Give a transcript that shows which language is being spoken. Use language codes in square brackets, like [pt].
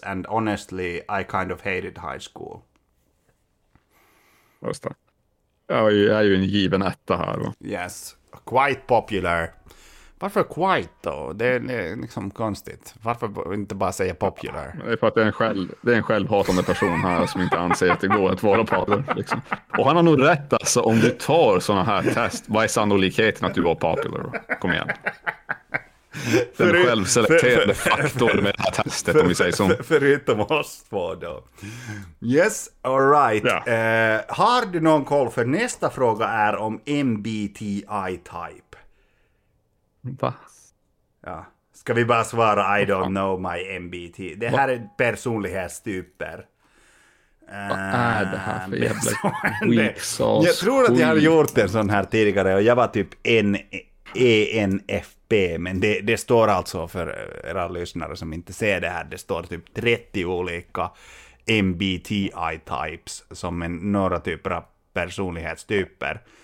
[en] And honestly, I kind of hated high school. [sv] Just det. Jag är ju en given etta här. Va? [en] Yes. Quite popular. [sv] Varför quite då? Det är liksom konstigt. Varför inte bara säga popular? Ja, det är för att det är en självhatande person här som inte anser att det går att vara popular. Liksom. Och han har nog rätt alltså, om du tar såna här test. Vad är sannolikheten att du var popular? Kom igen. Den självselekterade faktorn med det här testet, om vi säger så. Förutom oss två då. [en] Yes, all right. [sv] Ja. Har du någon koll? För nästa fråga är om MBTI-type. Va? Ja. Ska vi bara svara, [en] I don't know my MBTI. [sv] Det här är personlighetstyper. Vad är det här för jävla weak [en] sauce? [sv] Jag tror att jag har gjort en sån här tidigare och jag var typ ENFP, men det står alltså för era lyssnare som inte ser det här, det står typ 30 olika MBTI-types som är några typer av personlighetstyper.